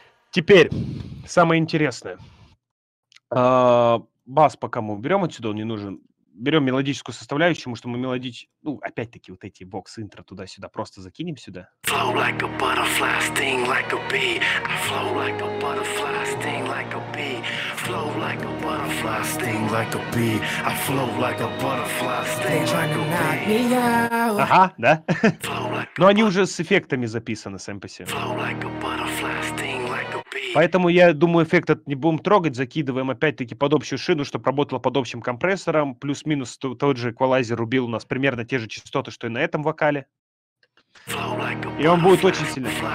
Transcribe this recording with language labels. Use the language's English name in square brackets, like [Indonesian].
[Russian] Теперь... Самое интересное. Бас по кому? Берем отсюда, он не нужен. Берем мелодическую составляющую, потому что мы Ну, опять-таки, вот эти бокс-интро туда-сюда. Просто закинем сюда. [English] Flow like a butterfly, sting like a bee. I flow like a butterfly, sting like a bee. Flow like a butterfly, sting like a bee. I flow like a butterfly, sting like a bee. [Russian] Ага, да? Но они уже с эффектами записаны, сами по себе. [English] Flow like a butterfly, sting. [Russian] Поэтому, я думаю, эффект этот не будем трогать, закидываем опять-таки под общую шину, чтобы работало под общим компрессором, плюс-минус тот же эквалайзер убил у нас примерно те же частоты, что и на этом вокале. И он будет очень сильный.